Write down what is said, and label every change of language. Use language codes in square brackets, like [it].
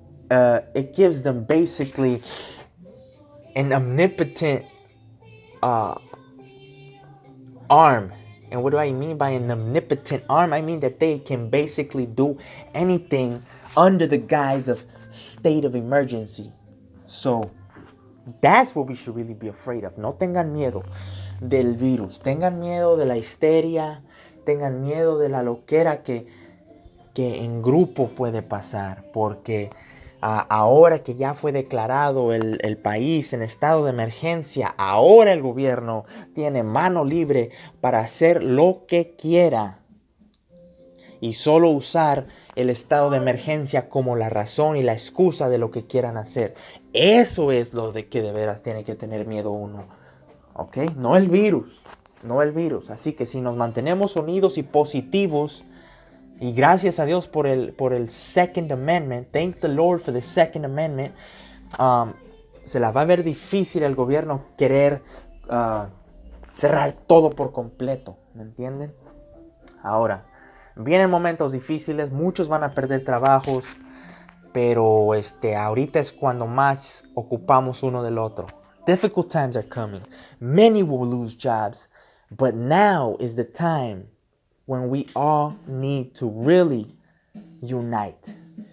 [en] It gives them basically an omnipotent arm. And what do I mean by an omnipotent arm? I mean that they can basically do anything under the guise of state of emergency. So that's what we should really be afraid of. [es] No tengan miedo del virus. Tengan miedo de la histeria. Tengan miedo de la loquera que en grupo puede pasar. Porque ahora que ya fue declarado el país en estado de emergencia, ahora el gobierno tiene mano libre para hacer lo que quiera y solo usar el estado de emergencia como la razón y la excusa de lo que quieran hacer. Eso es lo de que de veras tiene que tener miedo uno, ¿ok? No el virus. Así que si nos mantenemos unidos y positivos, y gracias a Dios por el Second Amendment. [en] Thank the Lord for the Second Amendment. [es] Se la va a ver difícil el gobierno querer cerrar todo por completo. ¿Me entienden? Ahora, vienen momentos difíciles. Muchos van a perder trabajos. Pero ahorita es cuando más ocupamos uno del otro. [en] Difficult times are coming. Many will lose jobs. But now is the time when we all need to really unite.